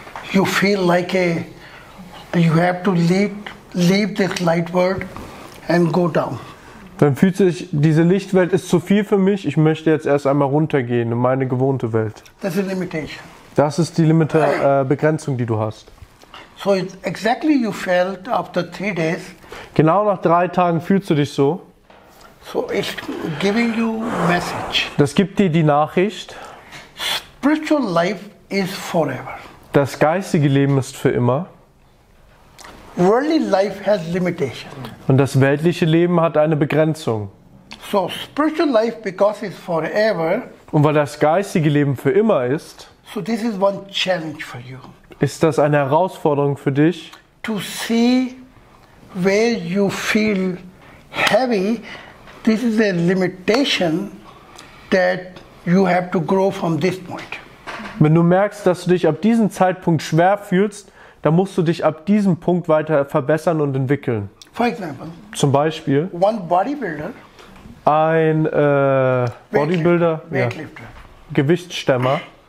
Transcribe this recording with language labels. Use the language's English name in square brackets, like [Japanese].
[English] You feel like you have to leave this light world and go down. [German] Dann fühlt sich, diese Lichtwelt ist zu viel für mich, ich möchte jetzt erst einmal runtergehen in meine gewohnte Welt. [English] That's a limitation. [German] Das ist die Begrenzung, die du hast. [English] So exactly you felt after 3 days. [German] Genau nach 3 Tagen fühlst du dich so. [English] So it's giving you message. [German] Das gibt dir die Nachricht. [English] Spiritual life is forever. [German] Das geistige Leben ist für immer. [English] Worldly life has limitation. [German] Und das weltliche Leben hat eine Begrenzung. [English] So spiritual life, because it's forever. [German] Und weil das geistige Leben für immer ist. [English] So this is one challenge for you. [German] Ist das eine Herausforderung für dich? [English] To see where you feel heavy, this is a limitation that you have to grow from this point. [German] Wenn du merkst, dass du dich ab diesem Zeitpunkt schwer fühlst, dann musst du dich ab diesem Punkt weiter verbessern und entwickeln. [English] For example, [German] zum Beispiel, [English] one bodybuilder, [German] ein Bodybuilder, [English] weightlifter, [German] ja, Gewichtstemmer,